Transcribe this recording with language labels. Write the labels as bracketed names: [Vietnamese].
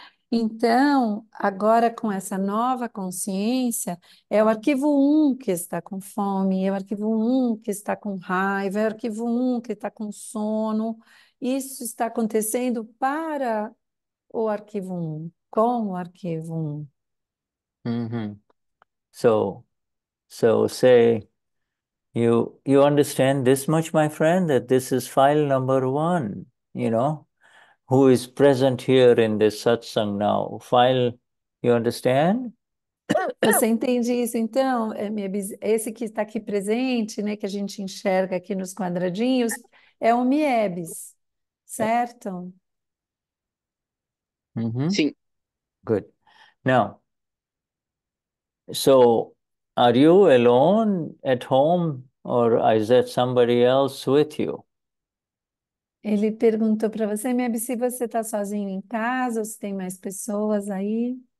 [Portuguese] Então, agora com essa nova consciência, é o arquivo 1 que está com fome, é o arquivo 1 que está com raiva, é o arquivo 1 que está com sono. Isso está acontecendo para o arquivo 1, com o arquivo 1. [English] So say, you understand this much, my friend, that this is file number one, you know? Who is present here in this satsang now? File, you understand? [Portuguese] Você entende isso, então? Esse que está aqui presente, né, que a gente enxerga aqui nos quadradinhos, é o Miebis, certo? Sim. [English] Good. Now, so, are you alone at home or is there somebody else with you? [Portuguese] Ele perguntou para você, Meb, se você está sozinho em casa ou se tem mais pessoas aí.